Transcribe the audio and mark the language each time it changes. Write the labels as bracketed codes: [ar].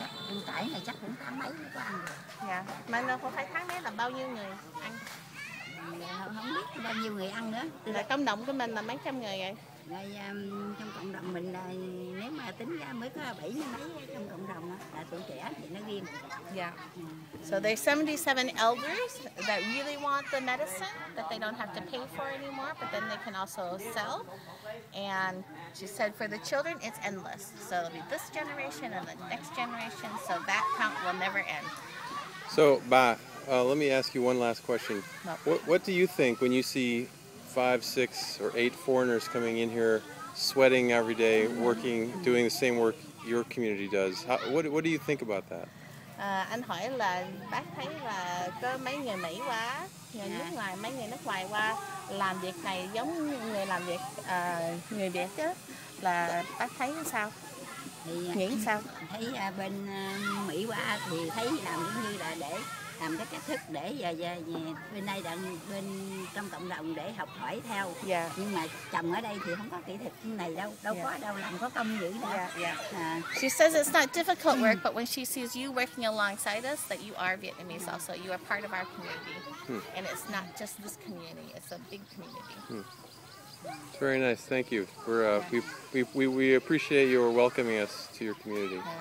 [vi] Điều tải này chắc cũng tháng mấy mới có ăn được. Dạ, mà nó không phải tháng mấy là bao nhiêu người ăn? Không biết bao nhiêu người ăn nữa. Là cộng đồng của mình là mấy trăm người vậy? Rồi trong cộng đồng mình là nếu mà tính ra mới có 70 mấy trong cộng đồng là tụi trẻ thì nó riêng. Yeah. [en] So there's 77 elders that really want the medicine that they don't have to pay for anymore, but then they can also sell. And she said for the children it's endless. So it'll be this generation and the next generation, so that count will never end. So Ba, let me ask you one last question. What do you think when you see 5, 6, or 8 foreigners coming in here, sweating every day, working, doing the same work your community does? What do you think about that? [vi] Anh hỏi là bác thấy là có mấy người Mỹ qua, người nước ngoài, mấy người nước ngoài qua làm việc này giống người làm việc người Việt chứ? Là bác thấy sao? Nghĩ sao? Thấy bên Mỹ qua thì thấy làm giống như là để làm cái cách thức để về bên đây đặng bên trong cộng đồng để học hỏi theo. Yeah. Nhưng mà chồng ở đây thì không có kỹ thuật này đâu, đâu yeah. có đâu làm có công dữ đâu. Yeah. Yeah. [en] She says it's not difficult work, but when she sees you working alongside us, that you are Vietnamese also, you are part of our community, and it's not just this community, it's a big community. It's very nice. Thank you. We appreciate your welcoming us to your community.